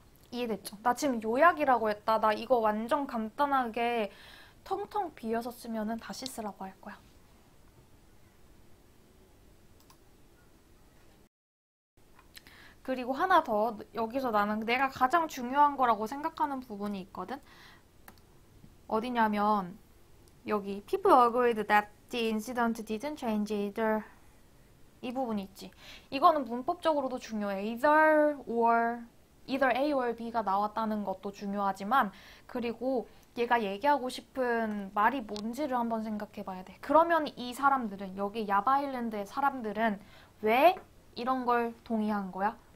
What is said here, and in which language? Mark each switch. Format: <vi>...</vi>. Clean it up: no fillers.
<ko>이해됐죠? 나 지금 요약이라고 했다. 나 이거 완전 간단하게 텅텅 비어서 쓰면은 다시 쓰라고 할 거야. 그리고 하나 더, 여기서 나는 내가 가장 중요한 거라고 생각하는 부분이 있거든? 어디냐면, 여기</ko> <en>people agreed that the incident didn't change either.</en> <ko>이 부분 있지. 이거는 문법적으로도 중요해. Either A or B가 나왔다는 것도 중요하지만, 그리고 얘가 얘기하고 싶은 말이 뭔지를 한번 생각해봐야 돼. 그러면 이 사람들은, 여기 야바일랜드의 사람들은 왜 이런 걸 동의한 거야?</ko>